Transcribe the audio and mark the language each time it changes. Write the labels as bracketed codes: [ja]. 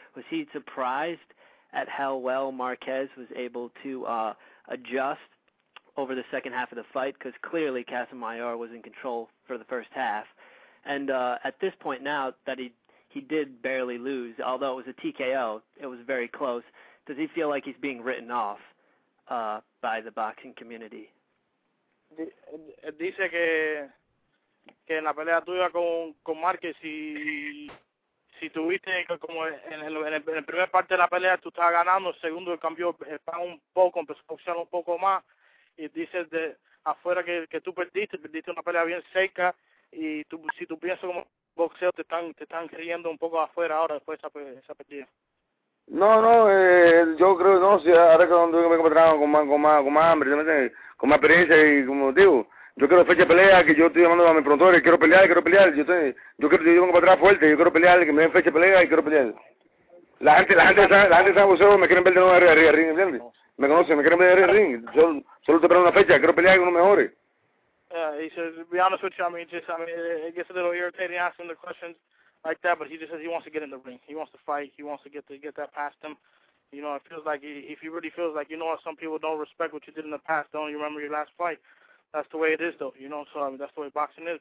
[en] Was he surprised at how well Marquez was able to adjust over the second half of the fight? Because clearly Casamayor was in control for the first half. And at this point now that he did barely lose, although it was a TKO, it was very close, does he feel like he's being written off by the boxing community? [es] Dice que en la pelea tuya con Márquez, si tuviste como en el primer parte de la pelea tú estabas ganando, el segundo cambió un poco, empezó a boxear un poco más, y dices de afuera que tú perdiste una pelea bien seca, y tú, si tú piensas como boxeo, te están riendo un poco afuera ahora después de esa pérdida. No, yo creo que no, si ahora que cuando me encontraba con más hambre, con más experiencia, y como digo, yo quiero fecha de pelea, que yo estoy llamando a mi promotor, quiero pelear, yo vengo para atrás fuerte, yo quiero pelear, que me den fecha de pelea y quiero pelear. La gente está en boxeo, me quieren ver de nuevo arriba ring, ¿entiendes? Me conocen, me quieren ver arriba ring, solo estoy esperando una fecha, quiero pelear con los mejores. [en] Yeah, he says, to be honest with you, I mean, it gets a little irritating asking the questions like that, but he just says he wants to get in the ring. He wants to fight. He wants to get that past him. You know, it feels like if he really feels like, you know, some people don't respect what you did in the past, don't you remember your last fight? That's the way it is, though. You know, so I mean, that's the way boxing is.